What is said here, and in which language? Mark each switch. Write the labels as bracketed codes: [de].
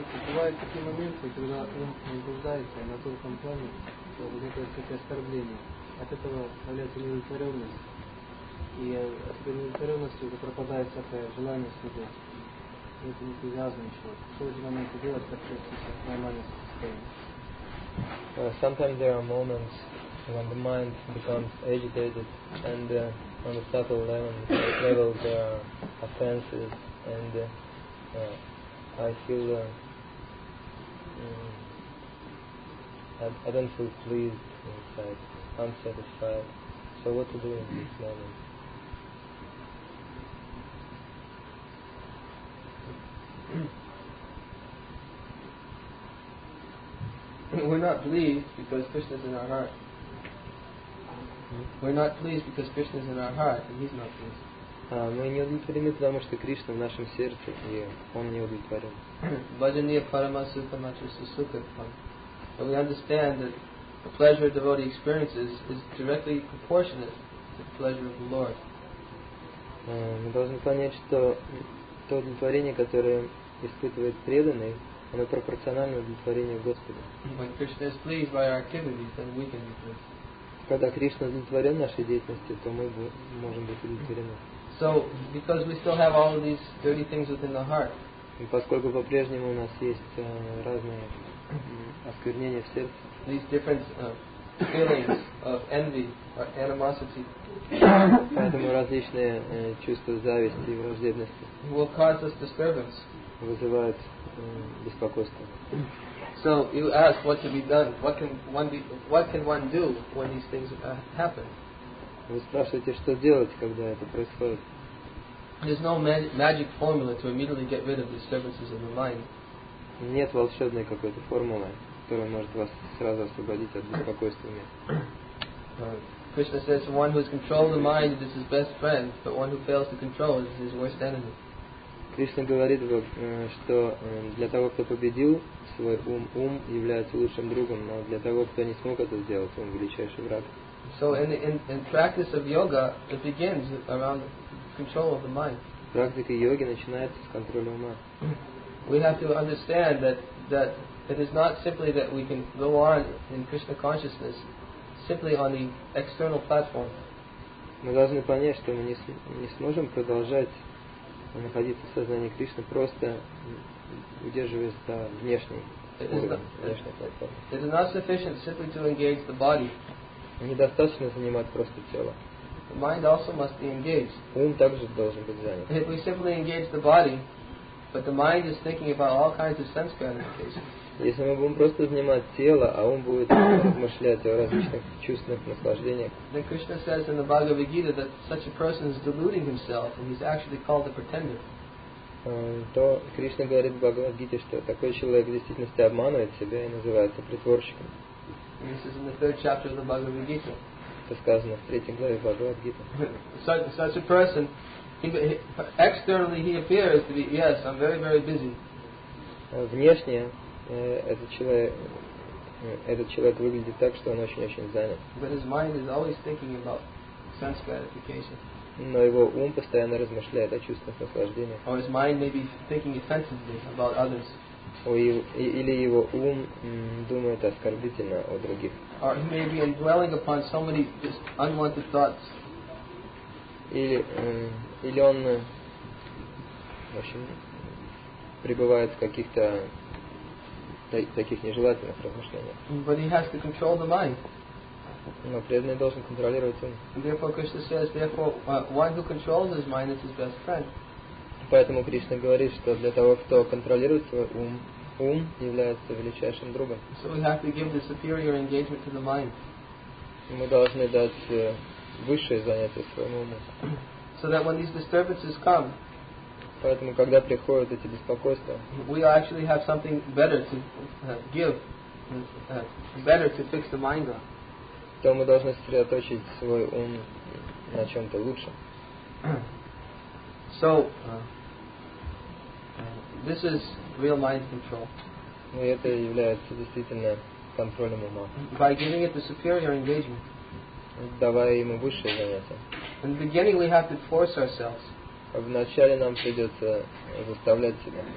[ru] Бывают такие моменты, когда ум возбуждается на тонком плане, то возникает какое-то оскорбление. От этого появляется неудовлетворенность. И от этой неудовлетворенности уже пропадает всякое желание следовать. Это не привязано еще. Что в эти моменты делать, как чувствуется нормальное состояние? [en] Sometimes there are moments when the mind becomes agitated, and on a subtle level there are offenses, and I don't feel pleased inside, unsatisfied. So what to do in this moment? We're not pleased because Krishna is in our heart. We're not pleased because Krishna is in our heart, and he's not pleased. [ru] Мы не удовлетворены, потому что Кришна в нашем сердце, и он не удовлетворен. Bhajaniya paramasutamachasasukatvam. [en] But we understand that the pleasure a devotee experiences is directly proportionate to the pleasure of the Lord. [ru] Мы должны понять, что то удовлетворение, которое испытывает преданный, оно пропорционально удовлетворению Господа. [en] When Krishna is pleased by our activities, then we can be pleased. [ru] Когда Кришна удовлетворен нашей деятельностью, то мы можем быть удовлетворены. [en] So, because we still have all of these dirty things within the heart. [ru] И поскольку по-прежнему у нас есть разные осквернения в сердце. [en] These different feelings of envy or animosity. [ru] Поэтому различные чувства зависти и враждебности. [en] Will cause us disturbance. [ru] Вызывают беспокойство. [en] So you ask what to be done. What can one do when these things happen? [ru] Вы спрашиваете, что делать, когда это происходит? [en] There's no magic formula to immediately get rid of disturbances in the mind. [ru] Нет волшебной какой-то формулы, которая может вас сразу освободить от беспокойства. [en] Krishna says, one who has controlled the mind is his best friend, but one who fails to control is his worst enemy. [ru] Кришна говорит, что для того, кто победил свой ум, ум является лучшим другом, но для того, кто не смог это сделать, он величайший враг. [en] So in practice of yoga, it begins around control of the mind. [ru] Практика йоги начинается с контроля ума. [en] we have to understand that it is not simply that we can go on in Krishna consciousness simply on the external platform. [ru] Мы должны понять, что мы не сможем продолжать находиться в сознании Кришны, просто удерживаясь на внешней платформе. [en] It is not sufficient simply to engage the body. [ru] Недостаточно занимать просто тело. [en] The mind also must be engaged. [ru] Ум также должен быть занят. [en] If we simply engage the body, but the mind is thinking about all kinds of sense gratification. [ru] Если мы будем просто занимать тело, а ум будет размышлять о различных чувственных наслаждениях. [en] Then Krishna says in the Bhagavad Gita that such a person is deluding himself and he's actually called a pretender. [ru] То Кришна говорит в Бхагавад Гите, что такой человек в действительности обманывает себя и называется притворщиком. [en] This is in the third chapter of the Bhagavad Gita. [ru] Это сказано в третьей главе Бхагавад Гита. [en] Such a person, externally he appears to be, yes, I'm very, very busy. [ru] Внешне этот человек выглядит так, что он очень-очень занят. [en] But his mind is always thinking about sense gratification. [ru] Но его ум постоянно размышляет о чувствах наслаждения. [en] Or his mind may be thinking offensively about others. [ru] Или его ум думает оскорбительно о других. [en] Or he may be dwelling upon so many just unwanted thoughts. [ru] Или он, в общем, пребывает в каких-то таких нежелательных размышлениях. [en] But he has to control the mind. [ru] Но преданный должен контролировать ум. [en] Therefore, Krishna says, one who controls his mind is his best friend. [ru] Поэтому Кришна говорит, что для того, кто контролирует свой ум, ум является величайшим другом. [en] So we have to give the superior engagement to the mind. [ru] Мы должны дать высшее занятие своему уму. [en] So that when these disturbances come, [ru] поэтому когда приходят эти беспокойства, [en] we actually have something better to give, better to fix the mind on. [ru] То мы должны сосредоточить свой ум на чем-то лучшем. [en] So, this is real mind control. [ru] И это является действительно контролем ума. [en] By giving it the superior engagement. [ru] Давая ему высшее занятие. [en] In the beginning we have to force ourselves. [ru] Вначале нам придется заставлять себя.